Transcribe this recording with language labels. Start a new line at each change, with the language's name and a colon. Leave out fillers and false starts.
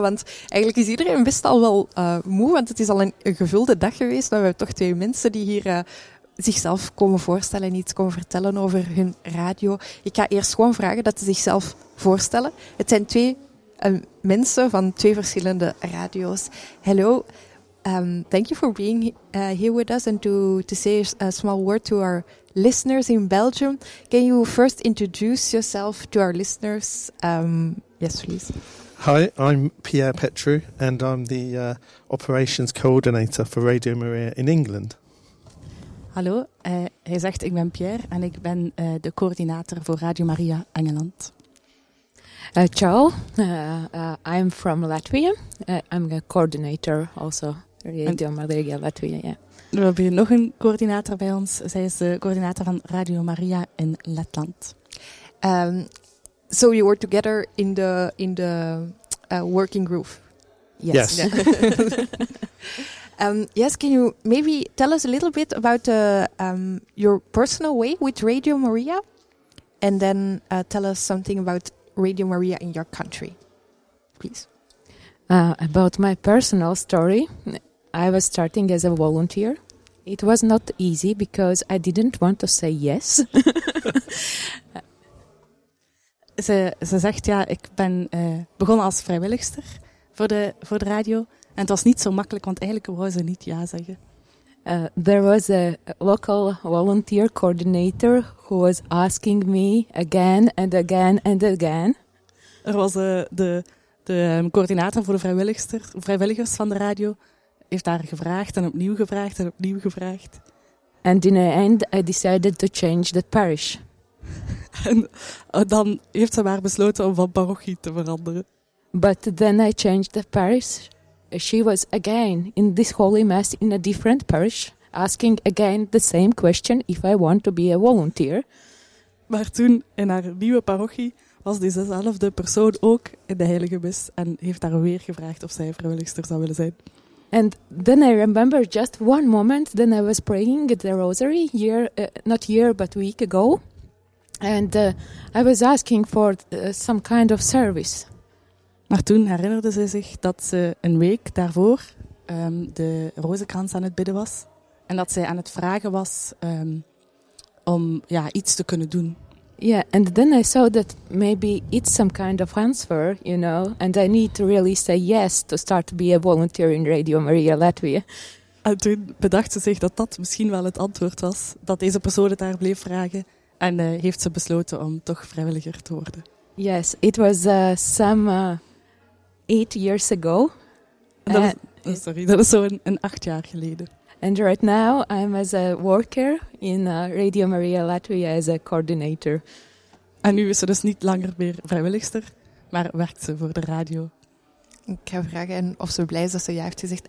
Dutch: Want eigenlijk is iedereen best al wel moe, want het is al een gevulde dag geweest. Maar we hebben toch twee mensen die hier zichzelf komen voorstellen en iets komen vertellen over hun radio. Ik ga eerst gewoon vragen dat ze zichzelf voorstellen. Het zijn twee mensen van twee verschillende radio's.
English: Hello, thank you for being here with us and to say a small word to our listeners in Belgium. Can you first introduce yourself to our listeners? Yes, please. Hi, I'm Pierre Petrou and I'm the operations coordinator for Radio Maria in England.
Dutch: Hallo, hij zegt ik ben Pierre en ik ben de coördinator voor Radio Maria Engeland.
English: Ciao, I'm from Latvia. I'm a coordinator also Radio Maria Latvia, yeah.
Dutch: We hebben hier nog een coördinator bij ons. Zij is de coördinator van Radio Maria in Letland.
English: So you were together in the working group? Yes. Yes. Yes, can you maybe tell us a little bit about your personal way with Radio Maria? And then tell us something about Radio Maria in your country, please. About my personal story, I was starting as a volunteer. It was not easy because I didn't want to say yes.
Dutch: ze zegt ik ben begonnen als vrijwilligster voor de radio. En het was niet zo makkelijk, want eigenlijk wou ze niet ja zeggen.
English: There was a local volunteer coordinator who was asking me again and again and again.
Dutch: Er was de coördinator voor de vrijwilligers van de radio. Heeft haar gevraagd en opnieuw gevraagd en opnieuw gevraagd.
English: And in the end, I decided to change the parish.
Dutch: En dan heeft ze maar besloten om van parochie te veranderen.
English: But then I changed the parish. She was again in this holy mass in a different parish. asking again the same question if I want to be a volunteer.
Dutch: Maar toen, in haar nieuwe parochie, was diezelfde persoon ook in de Heilige Mis en heeft haar weer gevraagd of zij vrijwilligster zou willen zijn.
English: And then I remember just one moment that I was praying the rosary week ago. And I was asking for some kind of service.
Dutch: Maar toen herinnerde ze zich dat ze een week daarvoor de rozenkrans aan het bidden was. En dat zij aan het vragen was om iets te kunnen doen.
English: Yeah, and then I saw that maybe it's some kind of answer, you know, and I need to really say yes to start to be a volunteer in Radio Maria Latvia.
Dutch: En toen bedacht ze zich dat dat misschien wel het antwoord was, dat deze persoon het haar bleef vragen, en heeft ze besloten om toch vrijwilliger te worden.
English: Yes, it was some 8 years ago.
Dutch: Dat is zo'n 8 jaar geleden.
English: And right now I'm as a worker in Radio Maria Latvia as a coordinator.
Dutch: En nu is ze dus niet langer meer vrijwilligster, maar werkt ze voor de radio. Ik ga vragen of ze blij is dat ze ja heeft gezegd.